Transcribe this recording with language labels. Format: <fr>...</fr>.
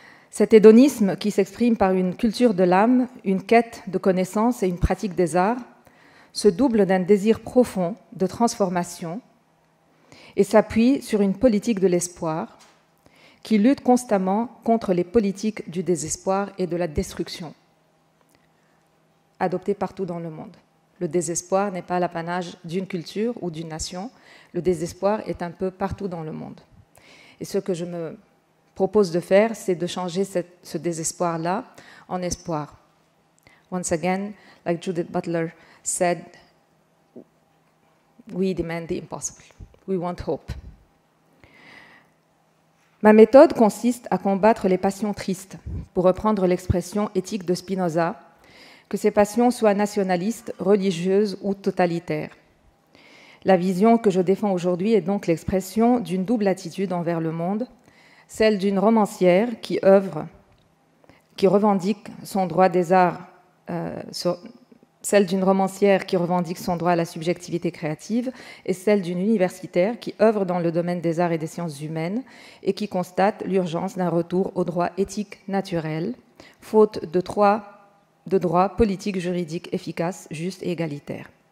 <fr>Cet hédonisme, qui s'exprime par une culture de l'âme, une quête de connaissances et une pratique des arts, se double d'un désir profond de transformation et s'appuie sur une politique de l'espoir qui lutte constamment contre les politiques du désespoir et de la destruction adoptées partout dans le monde. Le désespoir n'est pas l'apanage d'une culture ou d'une nation. Le désespoir est un peu partout dans le monde. Et ce que je me propose de faire, c'est de changer ce désespoir-là en espoir.</fr> <en>Once again, like Judith Butler said, we demand the impossible. We want hope.</en> <fr>Ma méthode consiste à combattre les passions tristes, pour reprendre l'expression éthique de Spinoza, que ces passions soient nationalistes, religieuses ou totalitaires. La vision que je défends aujourd'hui est donc l'expression d'une double attitude envers le monde, celle d'une romancière qui œuvre, qui revendique son droit des arts, celle d'une romancière qui revendique son droit à la subjectivité créative et celle d'une universitaire qui œuvre dans le domaine des arts et des sciences humaines et qui constate l'urgence d'un retour au droit éthique naturel, faute de droits politiques, juridiques efficaces, justes et égalitaires.</fr>